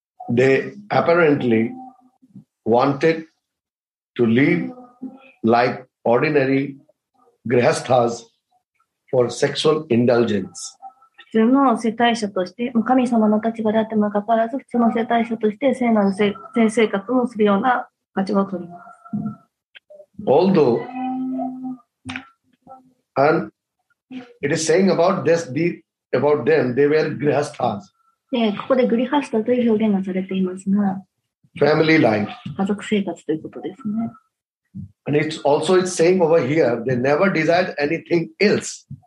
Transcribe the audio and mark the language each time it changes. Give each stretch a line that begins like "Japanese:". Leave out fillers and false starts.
English: they apparently wanted To live like ordinary grihasthas for sexual indulgence.
Japanese: 普通の世帯者として、神様の立場であってもかかわらず、普通の世帯者として聖なる性生活をするような立場を取ります。
English: Although, and it is saying about this, about them, they were grihasthas.
Japanese: ここでグリハスタという表現がされていますが、
English: Family life.
Japanese: 家族生活ということですね。
English: And it's also saying over here, they never desired anything else.